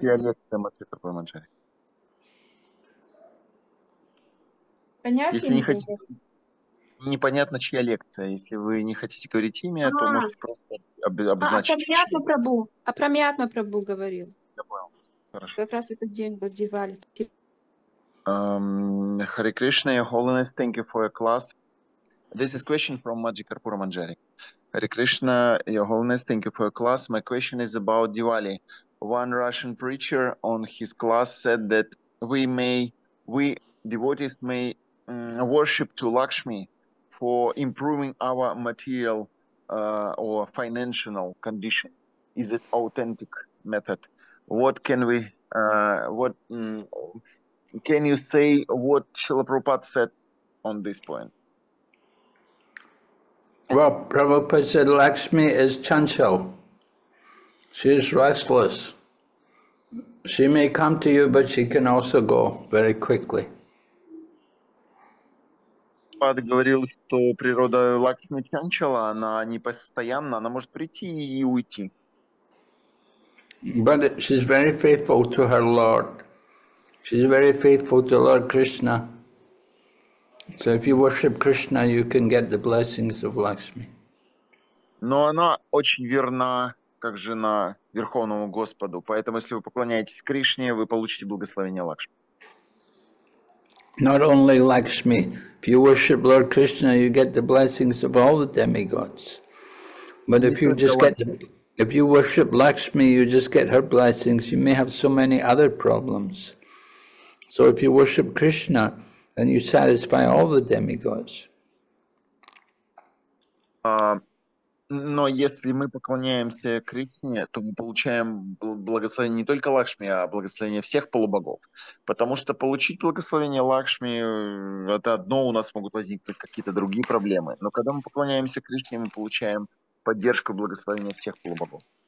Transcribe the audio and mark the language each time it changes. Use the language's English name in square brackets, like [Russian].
[Russian] Понятно? Если не хотите, непонятно, чья лекция. Если вы не хотите говорить имя, то можете просто обозначить. Прамьятма Прабу говорил. Я понял. Хорошо. Как раз этот день был Дивали. [English] Hare Krishna, Your Holiness, thank you for your class. This is a question from Madhikarpura Manjari. Hare Krishna, Your Holiness, thank you for your class. My question is about Diwali. One Russian preacher on his class said that we devotees may worship to Lakshmi for improving our material or financial condition. Is it authentic method? What can we can you say what Srila Prabhupada said on this point? Well, Prabhupada said Lakshmi is chanchal. She is restless. She may come to you, but she can also go very quickly. [Russian] Прабхупада говорил, что природа Лакшми чанчала, она непостоянна, она может прийти и уйти. [English] But she's very faithful to her Lord. She's very faithful to Lord Krishna. So if you worship Krishna, you can get the blessings of Lakshmi. [Russian] Но она очень верна, как жена Верховному Господу. Поэтому, если вы поклоняетесь Кришне, вы получите благословение Лакшми. [English] Not only Lakshmi. If you worship Lord Krishna, you get the blessings of all the demigods. But if you just get, if you worship Lakshmi, you just get her blessings. You may have so many other problems. So if you worship Krishna, then you satisfy all the demigods. [Russian] Но если мы поклоняемся Кришне, то мы получаем благословение не только Лакшми, а благословение всех полубогов. Потому что получить благословение Лакшми – это одно, у нас могут возникнуть какие-то другие проблемы. Но когда мы поклоняемся Кришне, мы получаем поддержку благословения всех полубогов.